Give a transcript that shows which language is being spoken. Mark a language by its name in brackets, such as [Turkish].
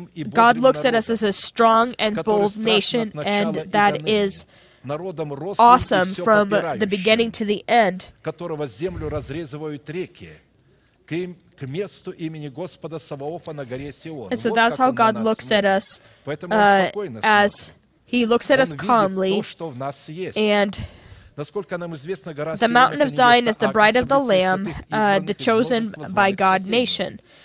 [English] God looks at us as a strong and bold nation, and that is awesome from the beginning to the end, [Russian] которого землю разрезывают реки, к месту имени Господа Саваофа на горе Сион. [English] And so that's how God looks at us, as He looks at us calmly, and the mountain of Zion is the bride of the Lamb, the chosen by God nation.